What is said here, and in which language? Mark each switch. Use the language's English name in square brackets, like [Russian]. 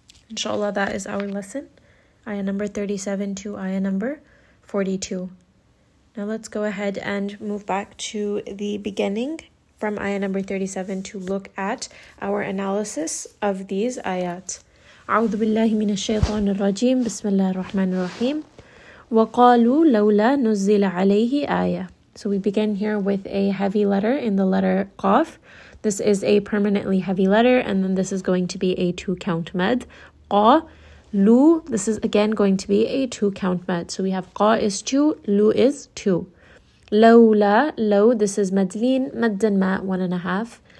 [English] Inshallah, that is our lesson. Ayah number 37 to ayah number 42. Now let's go ahead and move back to the beginning from ayah number 37 to look at our analysis of these ayat. [Arabic] أعوذ بالله من الشيطان الرجيم بسم الله الرحمن الرحيم وقالوا لولا نزل عليه آية. [English] So we begin here with a heavy letter in the letter قاف. This is a permanently heavy letter and then this is going to be a two count med. قا لو, this is again going to be a two count med. So we have قا is two, لو is two. لولا, لو, this is مدلين, مدن ما, one and a half.